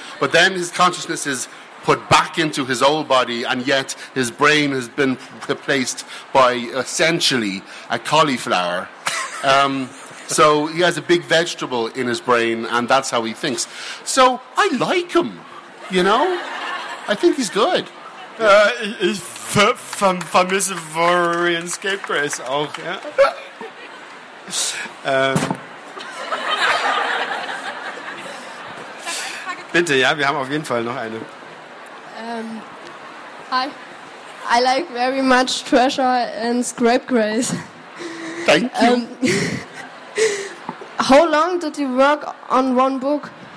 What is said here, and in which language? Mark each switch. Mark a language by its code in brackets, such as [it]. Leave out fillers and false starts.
[en] But then his consciousness is put back into his old body, and yet his brain has been replaced by essentially a cauliflower. So he has a big vegetable in his brain, and that's how he thinks. So I like him, you know? I think he's good. [de] Ich vermisse Warrior Escape Race auch, ja? Bitte, ja, wir haben auf jeden Fall noch eine. [en] Hi, I like very much Treasure and Scrape Grace. Thank you. How long did you work on one book?